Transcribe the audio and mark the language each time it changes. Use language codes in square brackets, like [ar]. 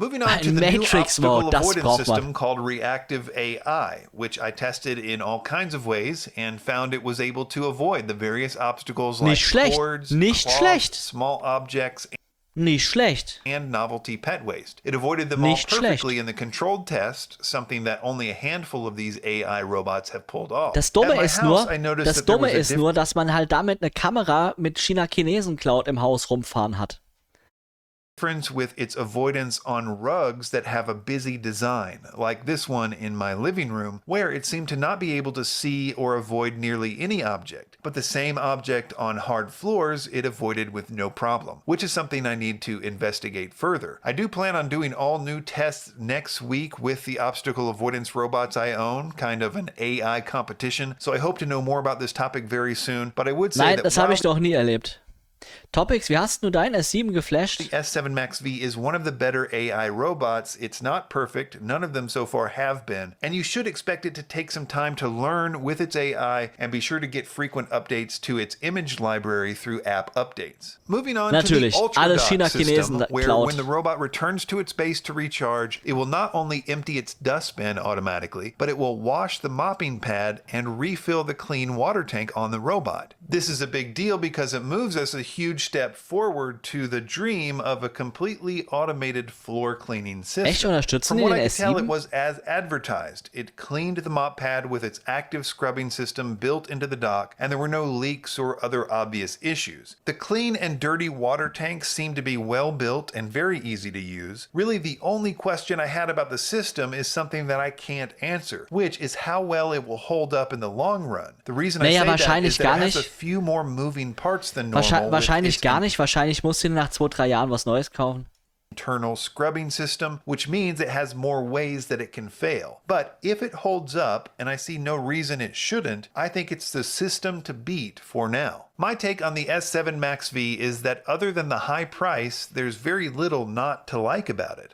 [en] Moving on to the new obstacle avoidance system called Reactive AI, which I tested in all kinds of ways and found it was able to avoid the various obstacles like cords, claws, small objects, and novelty pet waste. It avoided them all perfectly in the controlled test, something that only a handful of these AI robots have pulled off. [de] Das Dumme ist nur, dass man halt damit eine Kamera mit China-Chinesen-Cloud im Haus rumfahren hat. [en] Difference with its avoidance on rugs that have a busy design, like this one in my living room, where it seemed to not be able to see or avoid nearly any object. But the same object on hard floors, it avoided with no problem, which is something I need to investigate further. I do plan on doing all new tests next week with the obstacle avoidance robots I own, kind of an AI competition, so I hope to know more about this topic very soon, but I would say [de] das habe ich doch nie erlebt. Topics, wie hast du dein S7 geflasht? [en] The S7 Max V is one of the better AI robots. It's not perfect. None of them so far have been. And you should expect it to take some time to learn with its AI and be sure to get frequent updates to its image library through app updates. Moving on [de] Natürlich. [en] To the Ultradock [de] China, [en] system, where [de] Cloud. [en] When the robot returns to its base to recharge, it will not only empty its dustbin automatically, but it will wash the mopping pad and refill the clean water tank on the robot. This is a big deal because it moves us a huge step forward to the dream of a completely automated floor cleaning system. [de] Echt, unterstützen [en] From what I can [de] S7? [en] Tell, it was as advertised. It cleaned the mop pad with its active scrubbing system built into the dock, and there were no leaks or other obvious issues. The clean and dirty water tank seemed to be well built and very easy to use. Really, the only question I had about the system is something that I can't answer, which is how well it will hold up in the long run. The reason [de] naja, [en] I say that is that it has a few more moving parts than normal. [de] Wahrscheinlich gar nicht. Wahrscheinlich musst du nach 2-3 Jahren was Neues kaufen. [en] Internal scrubbing system, which means it has more ways that it can fail. But if it holds up, and I see no reason it shouldn't, I think it's the system to beat for now. My take on the S7 Max V is that other than the high price, there's very little not to like about it.